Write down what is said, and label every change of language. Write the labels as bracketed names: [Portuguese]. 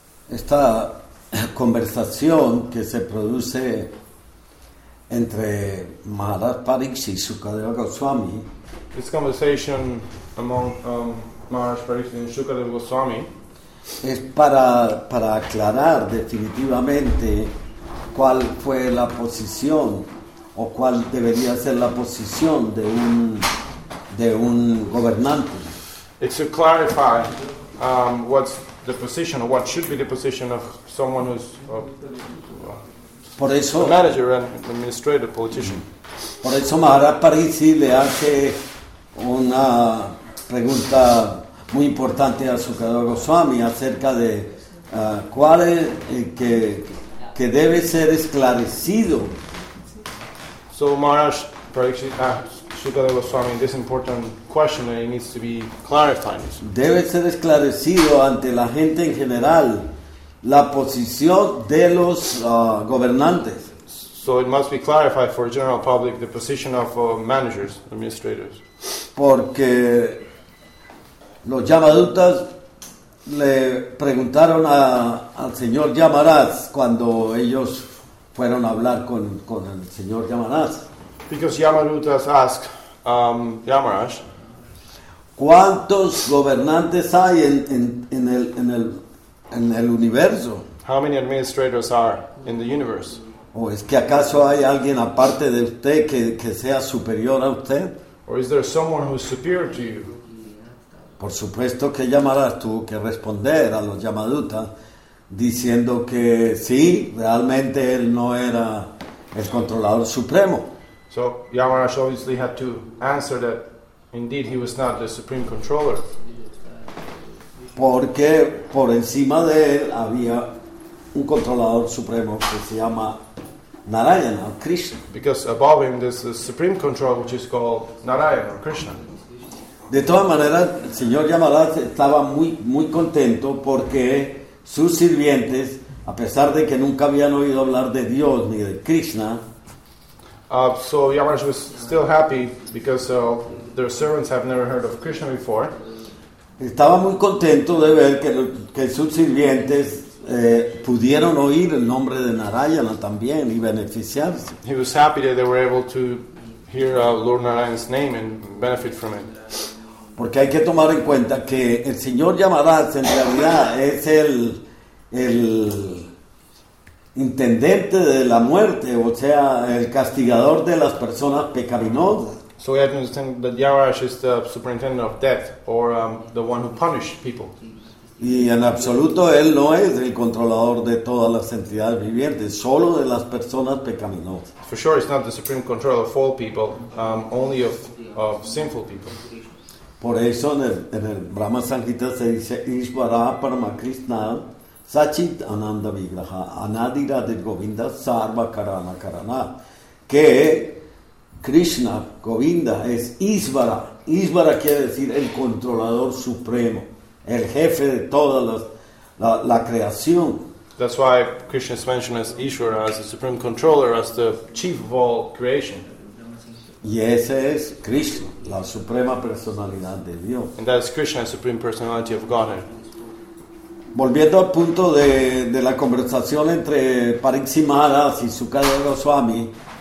[Spanish] Esta conversación que se produce entre Maharaj Pariksit y Sukadeva Goswami. [English] This conversation among Maharaj Pariksit and Sukadeva Goswami [Spanish] es para aclarar definitivamente cuál fue la posición o cuál debería ser la posición de un gobernante. [English] It's to clarify what's the position, or what should be the position of someone who's [Spanish] por eso, [English] a manager and administrator, politician. [Spanish] Por eso Maharaj Pariksit le hace una pregunta muy importante a Sukadeva Goswami acerca de cuál es que debe ser esclarecido. [English] So Maharaj Pariksit Sukadeva Goswami, this important question that needs to be clarified. [Spanish] Debe ser esclarecido ante la gente en general la posición de los gobernantes. [English] So it must be clarified for the general public the position of managers, administrators. [Spanish] Porque los Yamadutas le preguntaron al señor Yamaraj cuando ellos fueron a hablar con el señor Yamaraj. [English] Because Yamadutas asked Yamaraj, [Spanish] ¿cuántos gobernantes hay en el universo? [English] How many administrators are in the universe? [Spanish] ¿O es que acaso hay alguien aparte de usted que sea superior a usted? [English] Or is there someone who is superior to you? [Spanish] Por supuesto que Yamaraj tuvo que responder a los Yamadutas diciendo que sí, realmente él no era el controlador supremo. [English] So Yamaraj obviously had to answer that indeed he was not the supreme controller. [Spanish] Porque por encima de él había un controlador supremo que se llama Narayana, Krishna. [English] Because above him there's a supreme controller which is called Narayana, or Krishna. [Spanish] De todas maneras, el señor Yamaraj estaba muy, muy contento porque sus sirvientes, a pesar de que nunca habían oído hablar de Dios ni de Krishna, [English] So Yamaraj was still happy because their servants have never heard of Krishna before. [Spanish] Estaba muy contento de ver que sus sirvientes pudieron oír el nombre de Narayana también y beneficiarse. [English] He was happy that they were able to hear Lord Narayana's name and benefit from it. [Spanish] Porque hay que tomar en cuenta que el señor Yamaraj en realidad es el intendente de la muerte, o sea, el castigador de las personas pecaminosas. [English] So we have to understand that Yamaraj is the superintendent of death, or the one who punishes people. [Spanish] Y en absoluto, él no es el controlador de todas las entidades vivientes, solo de las personas pecaminosas. [English] For sure, he's not the supreme controller of all people, only of sinful people. [Spanish] Por eso, en el Brahma Sanghita se dice [Sanskrit] Ishvara Parama Krishna Sachit Ananda Vigraha Anadira de Govinda Sarva Karana Karana, [Spanish] que Krishna Govinda es Isvara, Ísvara quiere decir el controlador supremo, el jefe de toda la creación. [English] That's why Krishna is mentioned as Ishvara, as the supreme controller, as the chief of all creation. [Spanish] Y ese es Krishna, la suprema personalidad de Dios. [English] And that is Krishna, the supreme personality of Godhead. [Spanish] Volviendo al punto de la conversación entre Pariksit Maharaj y Sukadeva Goswami.